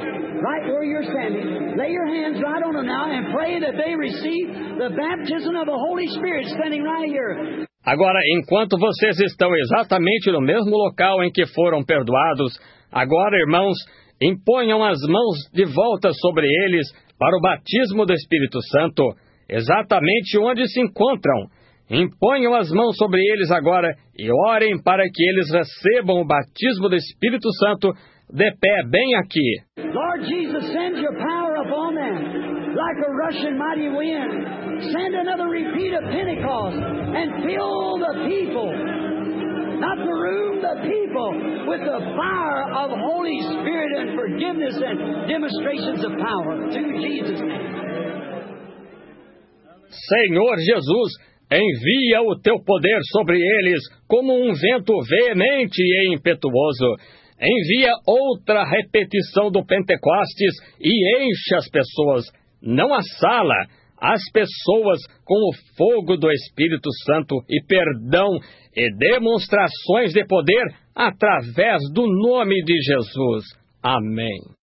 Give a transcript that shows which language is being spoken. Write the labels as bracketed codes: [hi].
[en] Right where you're standing, lay your hands right on them now and pray that they receive the baptism of the Holy Spirit standing right here. [pt] Agora, enquanto vocês estão exatamente no mesmo local em que foram perdoados, agora, irmãos, imponham as mãos de volta sobre eles para o batismo do Espírito Santo, exatamente onde se encontram. Imponham as mãos sobre eles agora e orem para que eles recebam o batismo do Espírito Santo de pé bem aqui. [en] Lord Jesus, send your power upon them like a rushing mighty wind. Send another repeat of Pentecost and fill the people, not the room, the people, with the fire of Holy Spirit and forgiveness and demonstrations of power. To Jesus' name. [pt] Senhor Jesus, envia o teu poder sobre eles como um vento veemente e impetuoso. Envia outra repetição do Pentecostes e enche as pessoas, não a sala, as pessoas com o fogo do Espírito Santo e perdão e demonstrações de poder através do nome de Jesus. Amém.